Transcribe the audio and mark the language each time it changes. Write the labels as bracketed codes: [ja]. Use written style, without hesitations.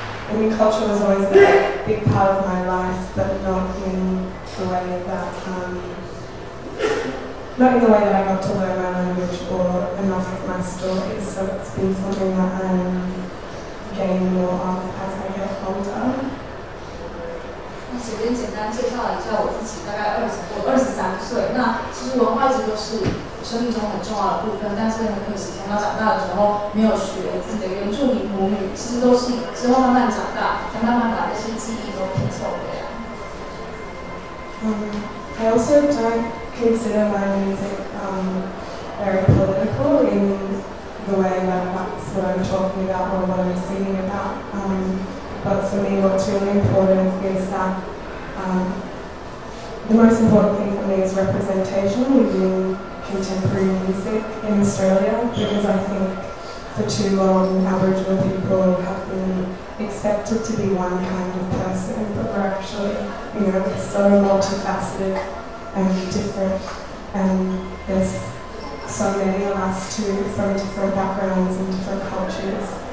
[en] I mean, culture was always a big part of my life, but not in the way that I got to learn my language or enough of my stories. So it's been something that I'm gaining more of as I get older. [zh] 那首先简单介绍一下我自己，大概我二十三岁。那其实文化一直都是生命中很重要的部分，但是很可惜，等到长大的时候没有学自己的原住民母语，其实都是之后慢慢长大才慢慢把这些记忆都拼凑回来。 [en] I also don't consider my music very political in the way that that's what I'm talking about or what I'm singing about. But for me, what's really important is that the most important thing for me is representation within contemporary music in Australia, because I think for too long Aboriginal people have been expected to be one kind of person, but we're actually, you know, so multifaceted and different, and there's so many of us too, from different backgrounds and different cultures.